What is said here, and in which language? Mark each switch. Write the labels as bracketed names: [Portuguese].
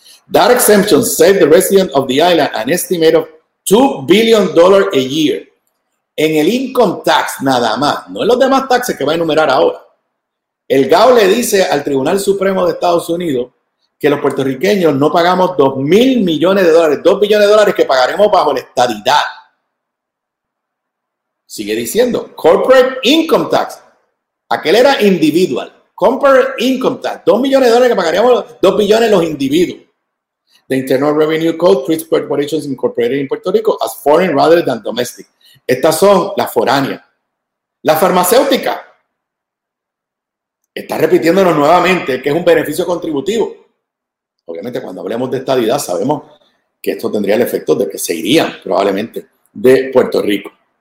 [English] That exemption saved the resident of the island an estimate of $2 billion a year. [Spanish] En el income tax nada más, no en los demás taxes que va a enumerar ahora. El GAO le dice al Tribunal Supremo de Estados Unidos que los puertorriqueños no pagamos $2 billion, $2 billones que pagaremos bajo la estadidad. Sigue diciendo, corporate income tax. Aquel era individual. Corporate income tax, $2 millones que pagaríamos, $2 billones los individuos. [English] The Internal Revenue Code treats corporations incorporated in Puerto Rico as foreign rather than domestic. [Spanish] Estas son las foráneas. La farmacéutica está repitiéndonos nuevamente que es un beneficio contributivo. Obviamente, cuando hablemos de estadidad, sabemos que esto tendría el efecto de que se irían probablemente de Puerto Rico.